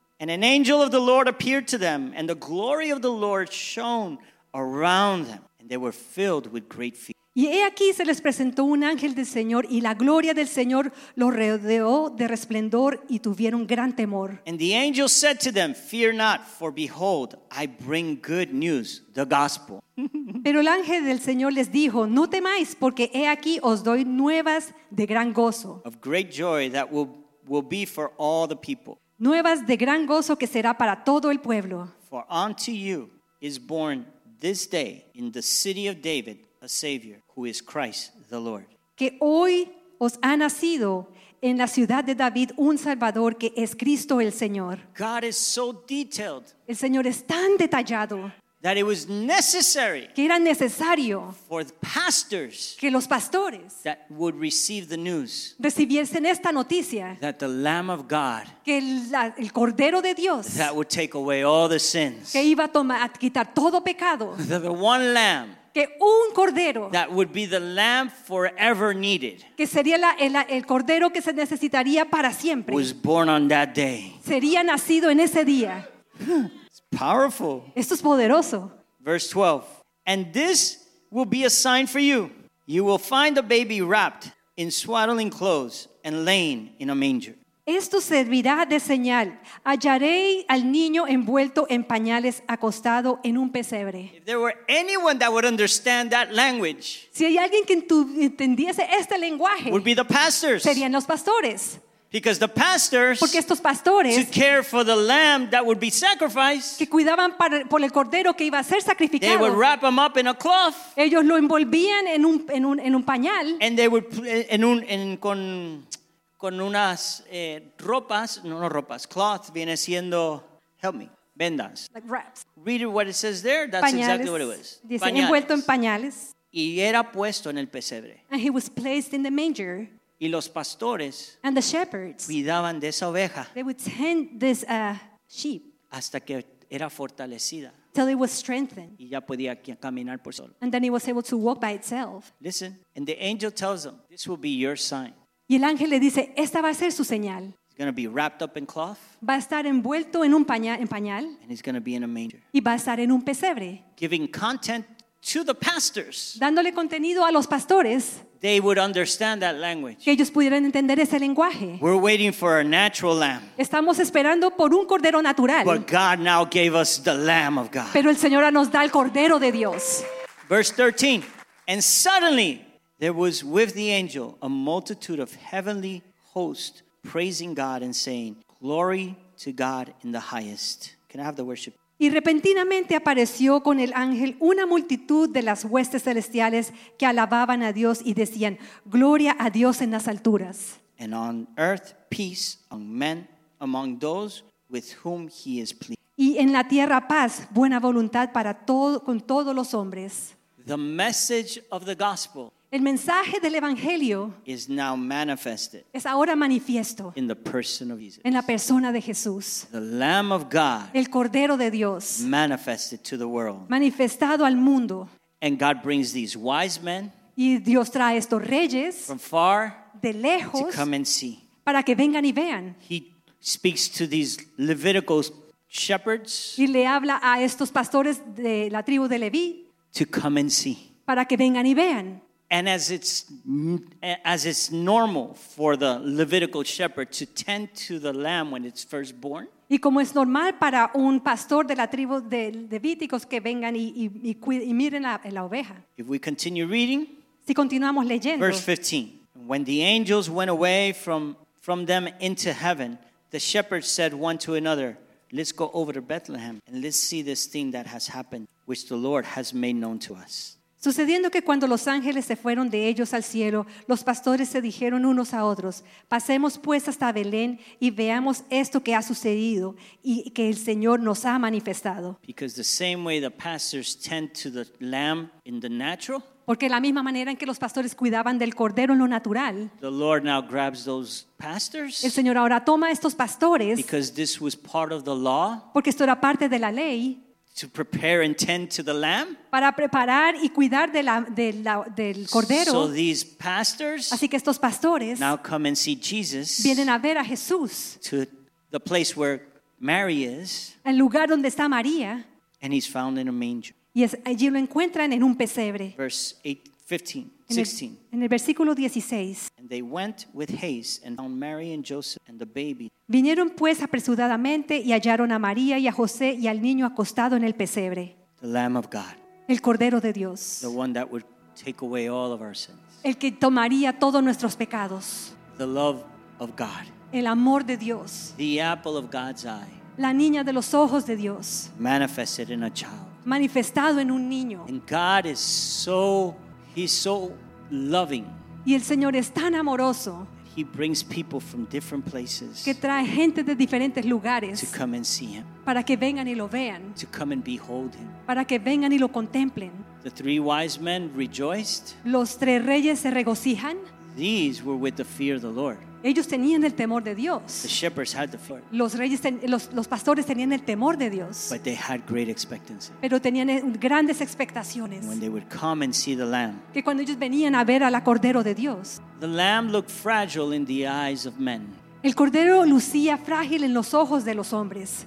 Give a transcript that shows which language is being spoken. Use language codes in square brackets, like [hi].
[en] And an angel of the Lord appeared to them, and the glory of the Lord shone around them, and they were filled with great fear. [es] Y he aquí se les presentó un ángel del Señor, y la gloria del Señor los rodeó de resplandor, y tuvieron gran temor. [en] And the angel said to them, fear not, for behold, I bring good news, the gospel. [es] Pero el ángel del Señor les dijo, no temáis, porque he aquí os doy nuevas de gran gozo. [en] Of great joy that will be for all the people. [es] Nuevas de gran gozo que será para todo el pueblo. [en] For unto you is born this day in the city of David, a Savior, who is Christ the Lord. [es] Que hoy os ha nacido en la ciudad de David un Salvador que es Cristo el Señor. [en] God is so detailed. [es] El Señor es tan detallado. [en] That it was necessary. [es] Que era necesario. [en] For the pastors. [es] Que los pastores. [en] That would receive the news. [es] Recibiesen esta noticia. [en] That the Lamb of God. [es] Que el Cordero de Dios. [en] That would take away all the sins. [es] Que iba a quitar todo pecado. [en] The one Lamb. [es] Que un cordero [en] that would be the lamb forever needed [es] que sería el cordero que se necesitaría para siempre [en] was born on that day. [es] Sería nacido en ese día. [en] It's powerful. [es] Esto es poderoso. [en] Verse 12. And this will be a sign for you. You will find a baby wrapped in swaddling clothes and laying in a manger. [es] Esto servirá de señal. Hallaréis al niño envuelto en pañales, acostado en un pesebre. [en] If there were anyone that would understand that language, [es] si hay alguien que entendiese este lenguaje, [en] would be the pastors. [es] Serían los pastores. [en] Because the pastors, [es] porque estos pastores, [en] to care for the lamb that would be sacrificed, [es] que cuidaban por el cordero que iba a ser sacrificado, [en] they would wrap him up in a cloth, [es] ellos lo envolvían en un pañal, [en] and they would [es] con unas ropas, [en] cloth [es] viene siendo, [en] help me, [es] vendas. [en] Like wraps. Read what it says there. That's [es] pañales. [en] Exactly what it was. [es] Dice, envuelto en pañales. Y era puesto en el pesebre. [en] And he was placed in the manger. [es] Y los pastores, [en] and the shepherds, [es] cuidaban de esa oveja. [en] They would tend this sheep. [es] Hasta que era fortalecida. [en] Till it was strengthened. [es] Y ya podía caminar por solo. [en] And then it was able to walk by itself. Listen, and the angel tells them, this will be your sign. [es] Y el ángel le dice, esta va a ser su señal. [en] He's going to be wrapped up in cloth. [es] Va a estar envuelto en un pañal. En pañal, [en] and he's going to be in a manger. [es] Y va a estar en un pesebre. [en] Giving content to the pastors. [es] Dándole contenido a los pastores. [en] They would understand that language. [es] Que ellos pudieran entender ese lenguaje. [en] We're waiting for a natural lamb. [es] Estamos esperando por un cordero natural. [en] But God now gave us the Lamb of God. [es] Pero el Señor nos da el cordero de Dios. [en] Verse 13. And suddenly, there was with the angel a multitude of heavenly hosts praising God and saying, glory to God in the highest. Can I have the worship? [es] Y repentinamente apareció con el ángel una multitud de las huestes celestiales que alababan a Dios y decían, gloria a Dios en las alturas. [en] And on earth, peace on men among those with whom he is pleased. [es] Y en la tierra, paz, buena voluntad para todo, con todos los hombres. [en] The message of the gospel. [es] El mensaje del Evangelio [en] is now manifested, [es] es ahora manifiesto, [en] in the person of Jesus, [es] en la persona de Jesús, [en] the Lamb of God, [es] el Cordero de Dios, [en] manifested to the world, [es] manifestado al mundo. [en] And God brings these wise men, [es] y Dios trae estos reyes, [en] from far, [es] de lejos, [en] to come and see, [es] para que vengan y vean. [en] He speaks to these Levitical shepherds, [es] y le habla a estos pastores de la tribu de Leví, [en] to come and see, [es] para que vengan y vean. [en] And as it's normal for the Levitical shepherd to tend to the lamb when it's first born. [es] Y como es normal para un pastor de la tribu de Levíticos que vengan y miren la oveja. [en] If we continue reading. [es] Si continuamos leyendo. [en] Verse 15. When the angels went away from them into heaven, the shepherds said one to another, let's go over to Bethlehem and let's see this thing that has happened, which the Lord has made known to us. [es] Sucediendo que cuando los ángeles se fueron de ellos al cielo, los pastores se dijeron unos a otros, pasemos pues hasta Belén y veamos esto que ha sucedido y que el Señor nos ha manifestado. [en] Because the same way the pastors tend to the lamb in the natural, [es] porque la misma manera en que los pastores cuidaban del cordero en lo natural, [en] the Lord now grabs those pastors, [es] el Señor ahora toma estos pastores, [en] because this was part of the law, [es] porque esto era parte de la ley, [en] to prepare and tend to the lamb. [es] Para preparar y cuidar del cordero. [en] So these pastors, [es] así que estos pastores, [en] now come and see Jesus, [es] vienen a ver a Jesús, [en] to the place where Mary is, [es] el lugar donde está María, [en] and he's found in a manger. [es] Y allí lo encuentran en un pesebre. [en] Verse 16. And they went with haste and found Mary and Joseph and the baby. [es] Vinieron pues apresuradamente y hallaron a María y a José y al niño acostado en el pesebre. [en] The Lamb of God. [es] El Cordero de Dios. [en] The one that would take away all of our sins. [es] El que tomaría todos nuestros pecados. [en] The love of God. [es] El amor de Dios. [en] The apple of God's eye. [es] La niña de los ojos de Dios. [en] Manifested in a child. [es] Manifestado en un niño. [en] And God is so, he's so loving. [es] Y el Señor es tan amoroso. [en] He brings people from different places. [es] Que trae gente de diferentes lugares. [en] To come and see him. [es] Para que vengan y lo vean. [en] To come and behold him. [es] Para que vengan y lo contemplen. [en] The three wise men rejoiced. [es] Los tres reyes se regocijan. [en] These were with the fear of the Lord. [es] Ellos tenían el temor de Dios. [en] The shepherds had the fear. [es] Los pastores tenían el temor de Dios. [en] But they had great expectancy. [es] Pero tenían grandes expectaciones. [en] When they would come and see the Lamb. [es] Que cuando ellos venían a ver al Cordero de Dios. [en] The Lamb looked fragile in the eyes of men. [es] El Cordero lucía frágil en los ojos de los hombres.